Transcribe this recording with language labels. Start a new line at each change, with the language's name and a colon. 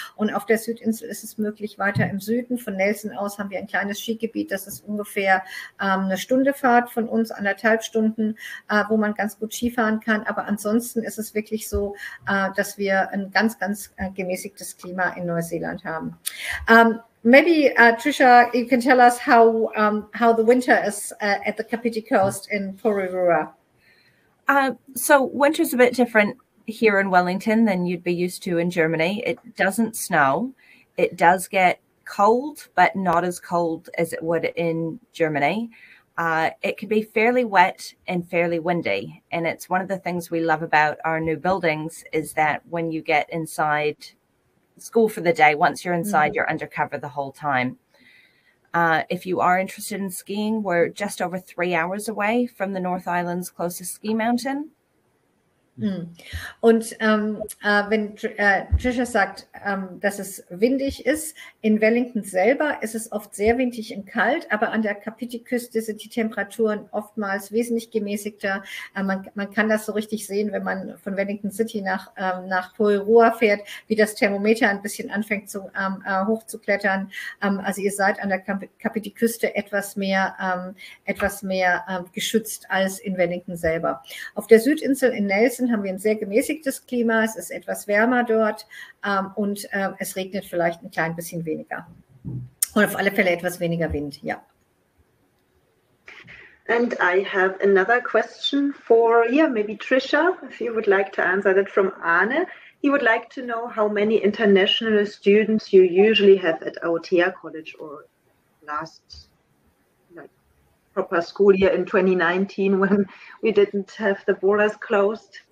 German: Und auf der Südinsel ist es möglich, weiter im Süden. Von Nelson aus haben wir ein kleines Skigebiet. Das ist ungefähr eine Stunde Fahrt von uns, 1,5 Stunden, wo man ganz gut Skifahren kann. Aber ansonsten ist es wirklich so, dass wir ein ganz, ganz gemäßigtes Klima in Neuseeland haben.
English: Trisha, you can tell us how the winter is at the Kapiti Coast in Porirua. So winter's a bit different here in Wellington than you'd be used to in Germany. It doesn't snow. It does get cold, but not as cold as it would in Germany. It can be fairly wet and fairly windy. And it's one of the things we love about our new buildings is that when you get inside school for the day, once you're inside, mm-hmm. you're undercover the whole time. If you are interested in skiing, we're just over 3 hours away from the North Island's closest ski mountain.
German: Und wenn Trisha sagt, dass es windig ist, in Wellington selber ist es oft sehr windig und kalt, aber an der Kapiti-Küste sind die Temperaturen oftmals wesentlich gemäßigter. Man kann das so richtig sehen, wenn man von Wellington City nach Porirua fährt, wie das Thermometer ein bisschen anfängt zu hochzuklettern. Also ihr seid an der Kapiti-Küste etwas mehr geschützt als in Wellington selber. Auf der Südinsel in Nelson haben wir ein sehr gemäßigtes Klima, es ist etwas wärmer dort und es regnet vielleicht ein klein bisschen weniger. Und auf alle Fälle etwas weniger Wind, ja.
English: And I have another question for maybe Trisha, if you would like to answer that from Arne. He would like to know how many international students you usually have at Aotea College or last proper school year in 2019 when we didn't have the borders closed.